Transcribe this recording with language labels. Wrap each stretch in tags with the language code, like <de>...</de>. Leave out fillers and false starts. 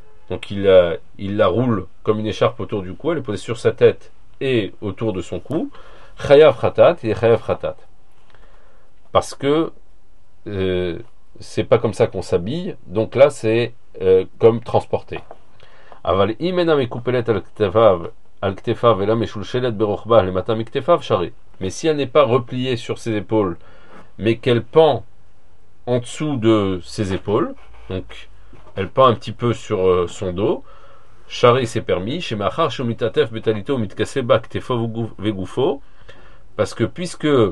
<fr>Donc il la roule comme une écharpe autour du cou. Elle est posée sur sa tête et autour de son cou. Chayav Khatat et Chayav Khatat. Parce que c'est pas comme ça qu'on s'habille. Donc là, c'est comme transporté.</fr> <he>אבל אם אינה מקופלת על כתפיו אלא משולשלת ברוחבה למטה מכתפיו שרי.</he> <fr>Mais si elle n'est pas repliée sur ses épaules, mais qu'elle pend en dessous de ses épaules, donc elle pend un petit peu sur son dos, שרי c'est permis,</fr> <he>שמאחר שהוא מתעטף בטליתו ומתכסה בה כתפו וגופו,</he> <fr>parce que puisque</fr>